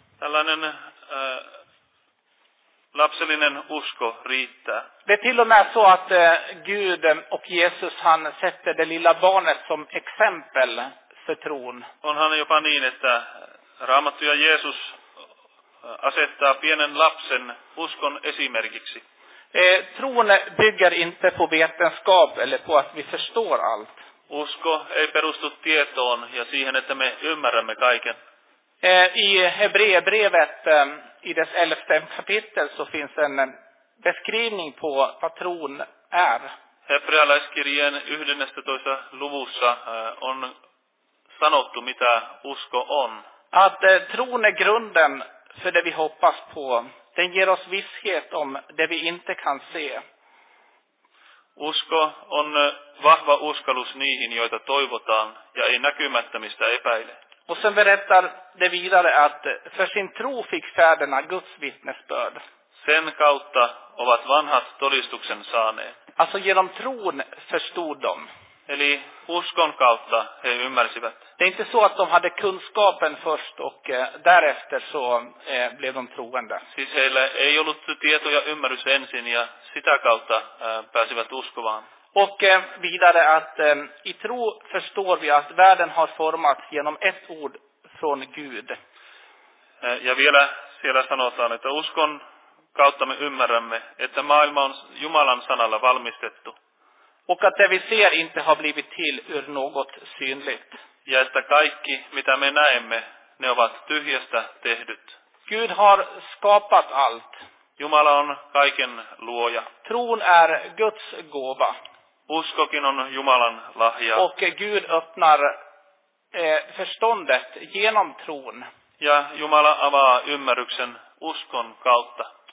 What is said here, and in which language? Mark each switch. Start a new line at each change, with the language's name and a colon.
Finnish: Tällainen lapsellinen usko riittää.
Swedish: Det är till och med så att Gud och Jesus han sätter det lilla barnet som exempel för tron.
Finnish: Onhan jopa niin, että Raamattu ja Jeesus asettaa pienen lapsen uskon esimerkiksi.
Swedish: Tron bygger inte på vetenskap eller på att vi förstår allt.
Finnish: Usko ei perustu tietoon ja siihen, että me ymmärrämme kaiken.
Swedish: I Hebreerbrevet i dess 11 kapitel så finns en beskrivning på vad tron är.
Finnish: Hebrealaiskirjeen 11. luvussa on sanottu, mitä usko on.
Swedish: Att tron är grunden för det vi hoppas på. Den ger oss visshet om det vi inte kan se.
Finnish: Usko on vahva uskallus niihin, joita toivotaan ja ei näkymättömistä epäile.
Swedish: Och sen berättar det vidare att för sin tro fick fäderna Guds vittnesbörd.
Finnish: Sen kautta ovat vanhat todistuksen saaneet.
Swedish: Alltså genom tron förstod de.
Finnish: Eli uskon kautta he ymmärsivät.
Swedish: Det är inte så att de hade kunskapen först och därefter så blev de troende.
Finnish: Siis heillä ei ollut tieto ja ymmärrys ensin ja sitä kautta pääsivät uskovaan.
Swedish: Och vidare att i tro förstår vi att världen har formats genom ett ord från Gud.
Finnish: Ja vielä siellä sanotaan, että uskon kautta me ymmärrämme, että maailma on Jumalan sanalla valmistettu.
Swedish: Och att det vi ser inte har blivit till ur något synligt.
Finnish: Ja että kaikki, mitä me näemme, ne ovat tyhjästä tehdyt.
Swedish: Gud har skapat allt.
Finnish: Jumala on kaiken luoja.
Swedish: Tron är Guds gåva.
Finnish: Uskokin on Jumalan lahja.
Swedish: Och Gud öppnar förståndet genom tron.
Finnish: Ja Jumala avaa ymmärryksen uskon kautta.